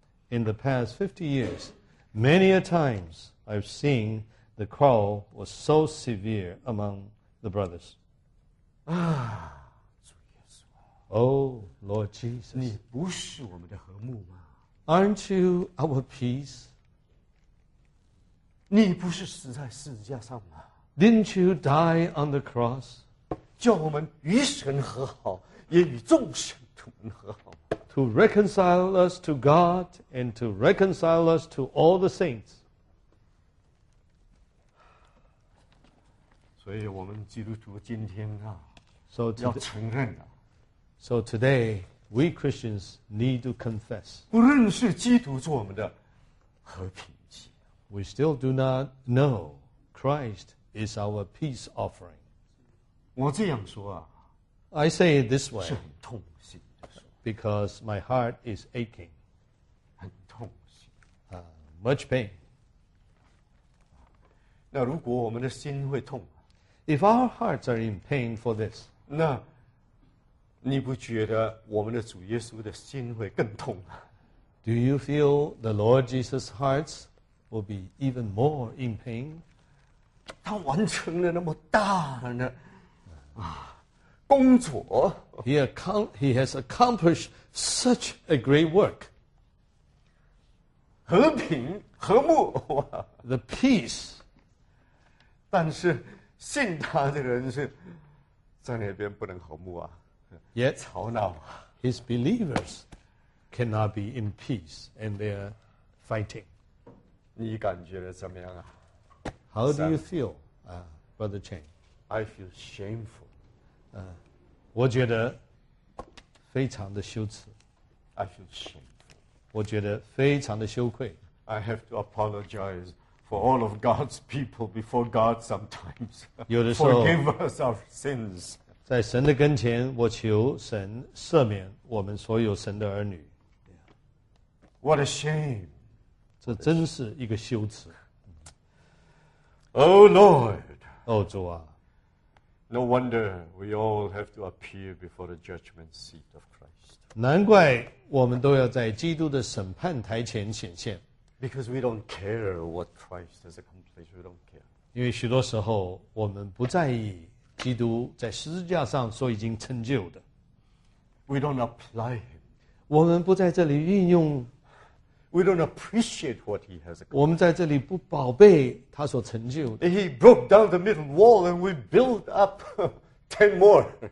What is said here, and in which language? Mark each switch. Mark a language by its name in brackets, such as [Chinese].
[English] In the past 50 years, many a times I've seen the quarrel was so severe among the brothers. [Chinese] 啊，主耶稣。 [English] Oh, Lord Jesus. [Chinese] 你不是我们的和睦吗？ [English] Aren't you our peace? [Chinese] 你不是死在十字架上吗？ [English] Didn't you die on the cross? [Chinese] 叫我们与神和好，也与众神同和好。 [English] To reconcile us to God and to reconcile us to all the saints. [Chinese] 所以我们基督徒今天啊， [English] so、today, [Chinese] 要承认啊。 [English] So today, we Christians need to confess. [Chinese] 不认识基督做我们的和平祭。 [English] We still do not know Christ is our peace offering. [Chinese] 我这样说啊， [English] I say it this way, [Chinese] 是很痛心的说， [English] because my heart is aching, [Chinese] 很痛心， [English] much pain. [Chinese] 那如果我们的心会痛， [English] if our hearts are in pain for this, [Chinese] 那你不觉得我们的主耶稣的心会更痛吗？ [English] Do you feel the Lord Jesus' hearts will be even more in pain? [Chinese] 他完成了那么大的工作。 [English] He has accomplished such a great work. [Chinese] 和平和睦。 [English] The peace. [Chinese] 但是信他的人是在那边不能和睦啊。 [English] Yet, [Chinese] 吵闹。 [English] His believers cannot be in peace and they are fighting. [Chinese] 你感觉得怎么样啊？ [English] How do you feel, Brother Chen? I feel shameful. [Chinese] 我觉得非常的羞耻。 [English] I feel shameful. [Chinese] 我觉得非常的羞愧。 [English] I have to apologize for all of God's people before God sometimes. [Chinese] 有的时候 [English] forgive us our sins. [Chinese] 在神的跟前，我求神赦免我们所有神的儿女。 [English] What a shame! [Chinese] 这真是一个羞耻。 [English] Oh Lord. [Chinese] Oh, 主啊。 [English] No wonder we all have to appear before the judgment seat of Christ. [Chinese] 难怪我们都要在基督的审判台前显现。 [English] Because we don't care what Christ has accomplished. We don't care. [Chinese] 因为许多时候我们不在意基督在十字架上所已经成就的。 [English] We don't apply him. [Chinese] 我们不在这里运用。 [English] We don't appreciate what he has accomplished. [Chinese] 我们在这里不宝贝他所成就的。 [English] He broke down the middle wall and we built up 10 more.